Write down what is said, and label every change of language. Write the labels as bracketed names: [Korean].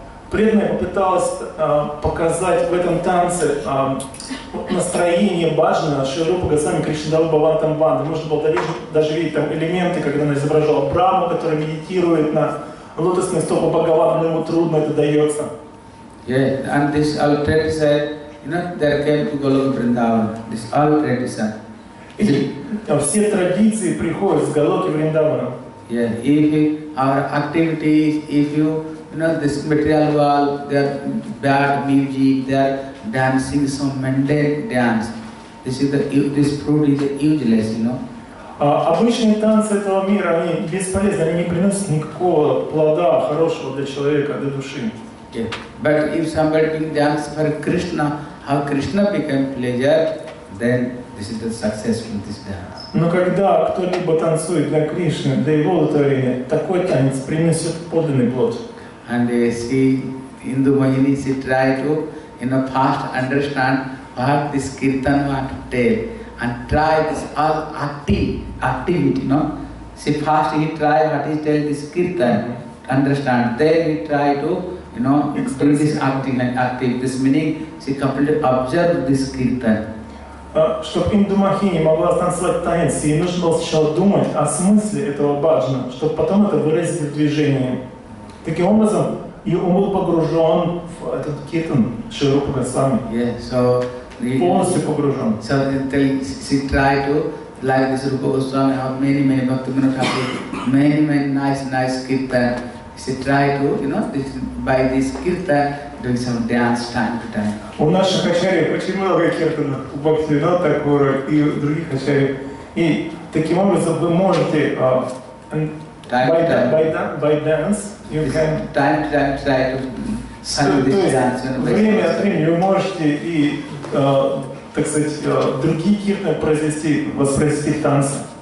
[Russian] Преданная попыталась показать в этом танце настроение баджана Шри Рупа Госвами Кришнадава Бхавантам Банды. Можно было даже видеть там элементы, когда она изображала Брахму, который медитирует на лотосные стопы Бхагавана, но ему трудно это дается. [English] Yeah, and this all tradition, you know, they came to Goloka Vrindavan. This all tradition. [Russian] Все традиции приходят с Голоки Вриндавана. [English] Yeah, if our activities, if you, you know, this material world, they are bad music, they are dancing some mundane dance. This fruit is useless, you know. [Russian] Обычные танцы этого мира, они бесполезны, они не приносят никакого плода хорошего для человека, для души. [English] Yeah. But if somebody can dance for Krishna, how Krishna became pleasure, then this is the success in this dance. [Russian] Но когда кто-либо танцует для Кришны, для его удовлетворения, такой танец принесет подлинный плод. [English] And she, Hindu Mohini, she tried to, in a fast understand what this Kirtan want to tell, and try this all activity, no? She fast he try what he tell this Kirtan, understand. Then he try to, you know, through this acting, this meaning, she completely observed this kirtan. [Russian] Чтобы Инду Махини могла танцевать танец, ей нужно было сначала думать о смысле этого баджана, чтобы потом это выразить в движении. Таким образом, ее ум был погружен в этот kirtan, Шри Рупа Госвами. [English] Yeah, so [Russian] полностью погружен. [English] So she tried to, like this Рупа Госвами, how many Bhaktivinoda Thakur, many nice kirtan. She try to, you know, this, by this kirtan, doing some dance time to time. [Russian] У наших ачарьев очень много киртанов, у Бхактивинода Такура и у других ачарьев. И таким образом вы можете, [English] by dance, you can... Time to time try to sing this dance. [Russian] То есть, время от времени вы можете и, так сказать, другие киртаны произвести, воспроизвести в танце.